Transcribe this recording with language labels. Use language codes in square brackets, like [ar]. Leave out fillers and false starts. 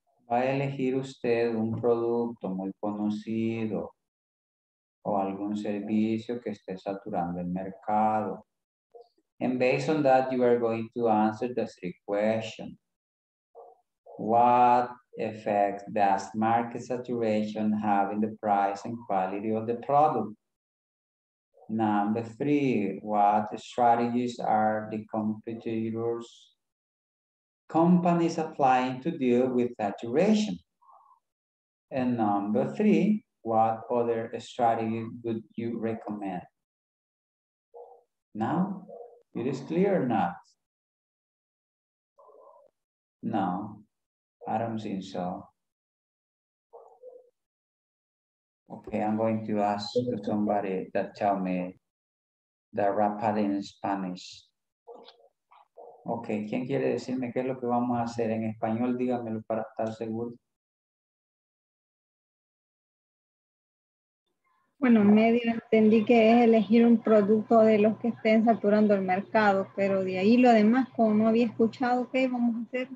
[es] Va a elegir usted un producto muy conocido o algún servicio que esté saturando el mercado. [en] And based on that, you are going to answer the three questions. What effect does market saturation have in the price and quality of the product? Number three, what strategies are the competitors, companies applying to deal with saturation? And number three, what other strategies would you recommend? Now, it is clear or not? No, I don't think so. Okay, I'm going to ask somebody that tell me the rapid in Spanish. [es] Okay, ¿quién quiere decirme qué es lo que vamos a hacer en español? Dígamelo para estar seguro. Bueno, medio entendí que es elegir un producto de los que estén saturando el mercado, pero de ahí lo demás, como no había escuchado, ¿qué vamos a hacer?